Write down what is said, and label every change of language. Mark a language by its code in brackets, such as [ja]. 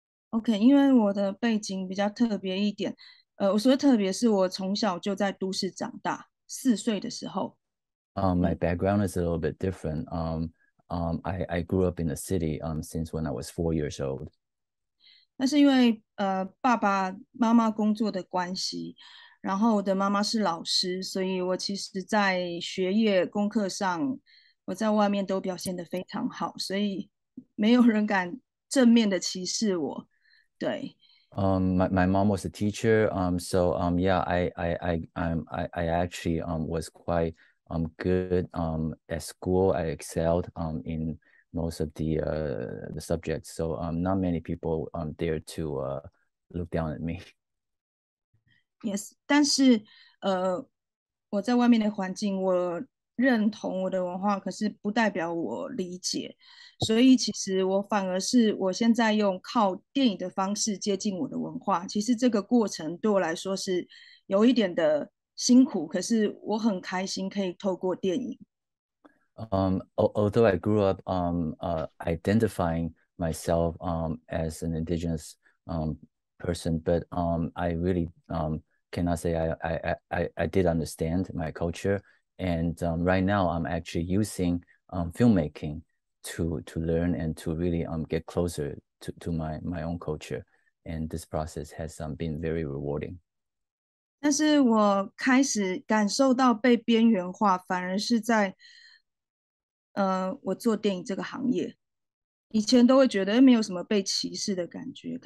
[zh] OK，因为我的背景比较特别一点，我所谓特别是我从小就在都市长大，4岁的时候， [en] My background is a little bit different. I grew up in the city since when I was 4 years old. [zh] 那是因为爸爸妈妈工作的关系，然后我的妈妈是老师，所以我其实在学业功课上，我在外面都表现得非常好，所以没有人敢正面的歧视我。对， [en] My mom was a teacher. I actually was quite good at school. I excelled in most of the subjects. So not many people dare to look down at me. [zh] yes，但是我在外面的环境，我认同我的文化，可是不代表我理解。所以其实我反而是我现在用靠电影的方式接近我的文化。其实这个过程对我来说是有一点的辛苦，可是我很开心可以透过电影。 [en] Although I grew up identifying myself as an indigenous person, but I really cannot say I did understand my culture. And right now I'm actually using filmmaking to learn and to really get closer to my own culture. And this process has been very rewarding. [zh] 但是我开始感受到被边缘化，反而是在，我做电影这个行业，以前都会觉得没有什么被歧视的感觉。